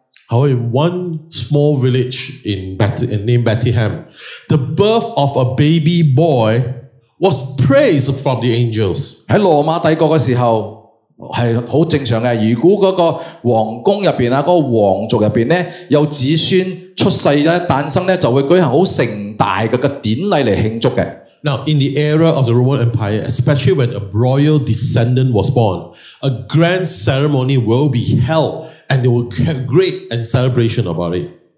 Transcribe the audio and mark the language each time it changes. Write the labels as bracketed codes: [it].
[en] However, in one small village named Bethlehem, the birth of a baby boy was praised from the angels. [zh] 在罗马帝国的时候是很正常的，如果那个皇宫里面，那个皇族里面有子孙出世诞生，就会举行很盛大的典礼来庆祝的。 [en] Now, in the era of the Roman Empire, especially when a royal descendant was born, a grand ceremony will be held and they will have great and celebration about it.